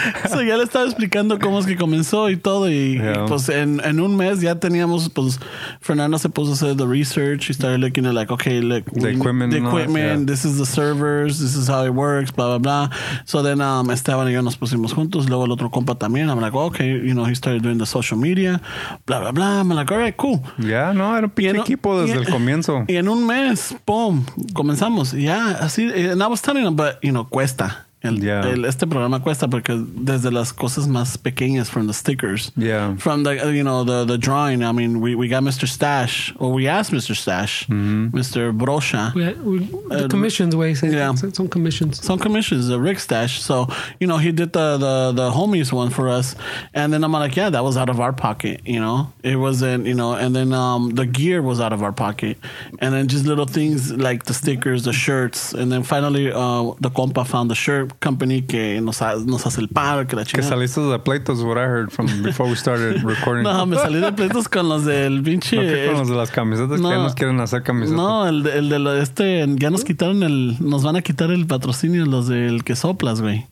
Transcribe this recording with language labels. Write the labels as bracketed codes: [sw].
[es] So ya le estaba explicando cómo es que comenzó y todo. Y pues en un mes ya teníamos, pues, Fernanda se puso a hacer [en] the research. She started looking at like, okay, look, the equipment, this is the servers, this is how it works, blah, blah, blah. So then Esteban [es] y yo nos pusimos juntos. Luego el otro compa también. [en] I'm like, okay, you know, he started doing the social media, blah, blah, blah. I'm like, all right, cool. [es] Yeah, no, era un pinche equipo desde el comienzo. Y en un mes, boom, comenzamos. [en] Ya, yeah, así, and I was telling him, but, you know, cuesta. [es] Este programa cuesta porque desde las cosas más pequeñas, [en] from the stickers, yeah, from the, you know, the drawing. I mean, we got Mr. Stash, or we asked Mr. Stash, mm-hmm. Mr. Brocha. Yeah, some commissions, the Rick Stash. So, you know, he did the homies one for us. And then I'm like, yeah, that was out of our pocket, you know, it wasn't, you know, and then the gear was out of our pocket. And then just little things like the stickers, the shirts. And then finally, the compa found the shirt. [es] Company que nos hace el paro, que la chingada. Que saliste de pleitos, [en] what I heard from before we started recording. [es] No, me salí de pleitos con los del pinche. No, con los de las camisetas, no, que ya nos quieren hacer camisetas. No, el de ya nos quitaron el, nos van a quitar el patrocinio los del que soplas, güey.